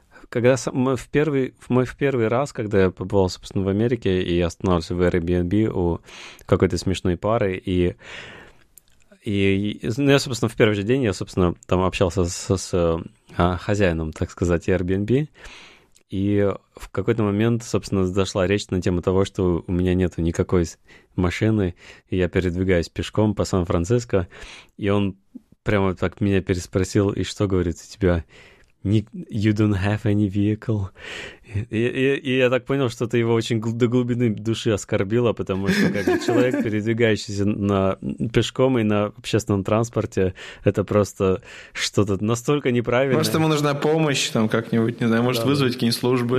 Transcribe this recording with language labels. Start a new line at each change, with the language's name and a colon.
Russian: Когда в первый раз, когда я побывал, собственно, в Америке, и я останавливался в Airbnb у какой-то смешной пары, я, собственно, в первый же день, я, собственно, там общался с хозяином, так сказать, Airbnb, и в какой-то момент, собственно, зашла речь на тему того, что у меня нету никакой машины, и я передвигаюсь пешком по Сан-Франциско, и он прямо так меня переспросил, и что, говорит, у тебя...
English: You don't have any vehicle.
Russian: И я так понял, что это его очень до глубины души оскорбило, потому что как бы человек, передвигающийся на пешком и на общественном транспорте, это просто что-то настолько неправильное. Может, ему нужна помощь там как-нибудь, не знаю, может, да, вызвать какие-нибудь службы.